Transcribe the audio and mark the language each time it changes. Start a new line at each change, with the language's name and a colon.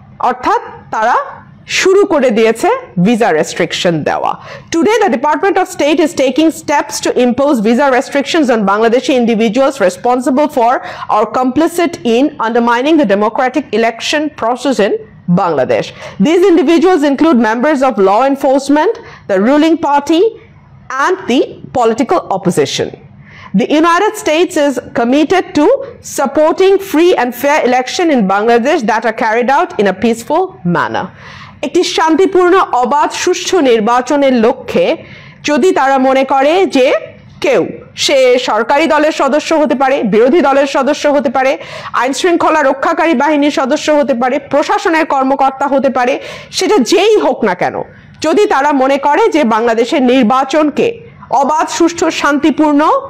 Bangla: অর্থাৎ তারা শুরু করে দিয়েছে ভিসা রেস্ট্রিকশন দেওয়া।
English: Today the department of state is taking steps to impose visa restrictions on Bangladeshi individuals responsible for or complicit in undermining the democratic election process in Bangladesh. These individuals include members of law enforcement, the ruling party, and the political opposition. The United States is committed to supporting free and fair elections in Bangladesh that are carried out in a peaceful manner.
Bangla: একটি শান্তিপূর্ণ অবাধ সুষ্ঠু নির্বাচনের লক্ষ্যে যদি তারা মনে করে যে কেউ, সে সরকারি দলের সদস্য হতে পারে, বিরোধী দলের সদস্য হতে পারে, আইন শৃঙ্খলা রক্ষাকারী বাহিনীর সদস্য হতে পারে, প্রশাসনের কর্মকর্তা হতে পারে, সেটা যেই হোক না কেন, যদি তারা মনে করে যে বাংলাদেশের নির্বাচনকে অবাধ সুষ্ঠু শান্তিপূর্ণ